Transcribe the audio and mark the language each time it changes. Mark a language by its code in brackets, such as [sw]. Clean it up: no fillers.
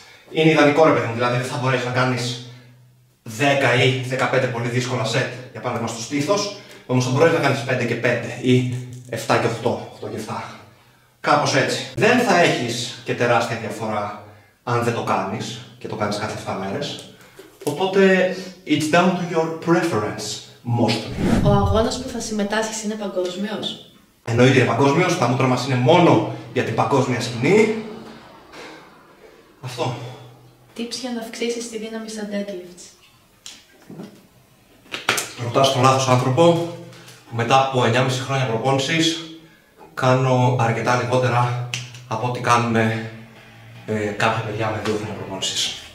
[el] Είναι ιδανικό ρε παιδί μου, δηλαδή δεν θα μπορέσεις να κάνεις 10 ή 15 πολύ δύσκολα σετ για παράδειγμα στο στήθος, όμως θα μπορέσεις να κάνεις 5 και 5 ή 7 και 8, 8 και 7. Κάπως έτσι. Δεν θα έχεις και τεράστια διαφορά αν δεν το κάνεις και το κάνεις κάθε 7 μέρες. [en] Οπότε, it's down to your preference, mostly. [el] Ο αγώνας που θα συμμετάσχεις είναι παγκόσμιος. Εννοείται παγκόσμιος, τα μούτρα μας είναι μόνο για την παγκόσμια σκηνή. Αυτό. Tips για να αυξήσεις τη δύναμη σαν deadlifts. Ρωτάς τον λάθος άνθρωπο. Μετά από 9,5 χρόνια προπόνησης, κάνω αρκετά λιγότερα από ό,τι κάνουν κάποια παιδιά με 2 χρόνια προπόνησης.